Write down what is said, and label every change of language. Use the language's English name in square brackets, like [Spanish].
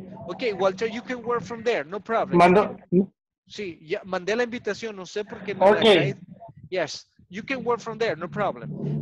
[English] Okay, Walter, you can work from there, no problem. [Spanish] Sí, ya, mandé la invitación, no sé por qué. Okay. Me la, [English] yes, you can work from there, no problem.